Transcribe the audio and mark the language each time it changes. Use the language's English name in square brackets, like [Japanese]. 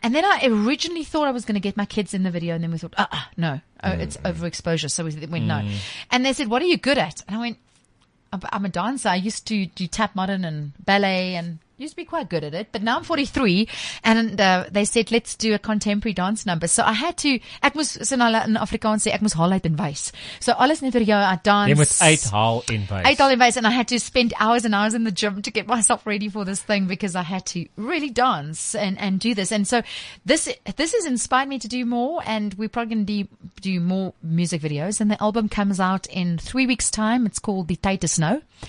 [English] And then I originally thought I was going to get my kids in the video. And then we thought, it's overexposure. So we went, no. And they said, what are you good at? And I went, I'm a dancer. I used to do tap modern and ballet and used to be quite good at it. But now I'm 43 and they said, let's do a contemporary dance number. So I had to, [Afrikaans] ek moes in Afrikaans sê, ek moes haal uit en wys. So alles net vir jou, [English] I dance. [Afrikaans] Jy moet uithaal en wys. Uithaal en wys, [English] and I had to spend hours and hours in the gym to get myself ready for this thing because I had to really dance and do this. And so this has inspired me to do more, and we're probably going to do more music videos. And the album comes out in 3 weeks time. It's called The Tight as Snow.